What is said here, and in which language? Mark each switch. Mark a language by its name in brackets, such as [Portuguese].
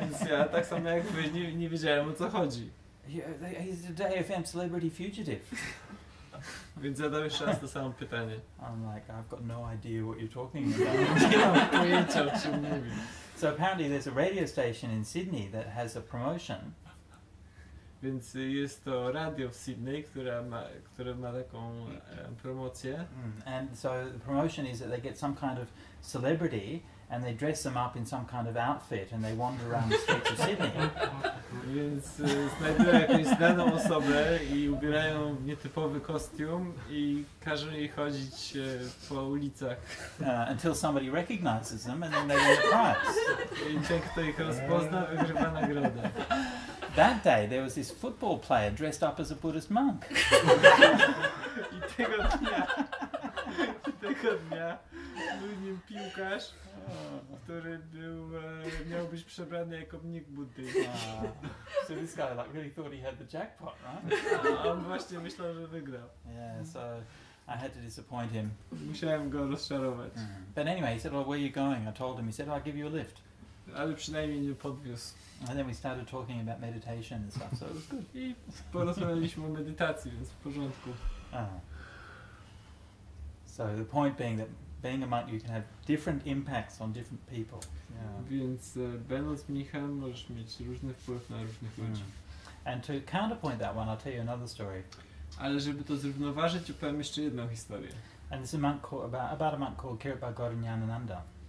[Polish] Ja tak samo jak wy, nie wiedziałem, o co chodzi. [English] He's a Today FM celebrity fugitive. [Polish] Więc zadałem jeszcze raz to samo pytanie. [English] I'm like, I've got no idea what you're talking about. [Polish] Nie mam pojęcia, o czym mówisz. [English] So apparently there's a radio station in Sydney that has a promotion. [Polish] Więc jest to radio w Sydney, które ma taką promocję. [English] And so the promotion is that they get some kind of celebrity and they dress them up in some kind of outfit and they wander around the streets of Sydney. [Polish] Więc znajdują jakąś znaną osobę i ubierają w nietypowy kostium i każą jej chodzić po ulicach. [English] Until somebody recognizes them and then they win a prize. [Polish] I ten, kto ich rozpozna, wygrywa nagrodę. [English] That day there was this football player dressed up as a Buddhist monk. [Polish] I tego dnia był nim piłkarz, który miał być przebrany jako mnik Buddy. [English] So this guy like really thought he had the jackpot, right? [Polish] On właśnie myślał, że wygrał. [English] Yeah, so I had to disappoint him. [Polish] Musiałem go rozczarować. Mm. [English] But anyway, he said, "Well, where are you going?" I told him. He said, "I'll give you a lift." [Polish] Ale przynajmniej nie podwiózł. [English] And then we started talking about meditation and stuff, so it was good. [Polish] I porozmawialiśmy o medytacji, więc w porządku. [English] So the point being that being a monk, you can have different impacts on different people. [Polish] Więc będąc mnichem, możesz mieć różny wpływ na różnych ludzi. [English] And to counterpoint that one, I'll tell you another story. [Polish] Ale żeby to zrównoważyć, opowiem jeszcze jedną historię. [English] And this is a monk called, about a monk called Kirpa Gorinyanananda.